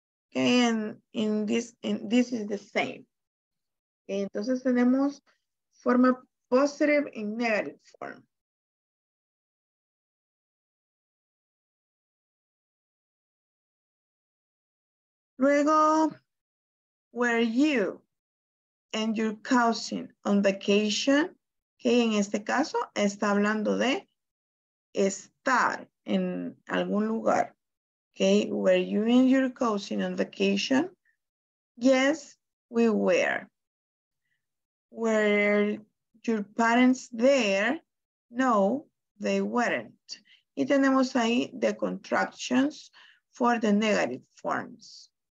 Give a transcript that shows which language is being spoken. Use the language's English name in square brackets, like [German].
[English] Okay, and this is the same. Okay, [Spanish] entonces tenemos forma [English] positive and negative form. Luego, were you and your cousin on vacation? [Spanish] Okay, en este caso está hablando de estar en algún lugar. [English] Okay, were you and your cousin on vacation? Yes, we were. Were your parents there? No, they weren't. [Spanish] Y tenemos ahí [English] the contractions for the negative forms.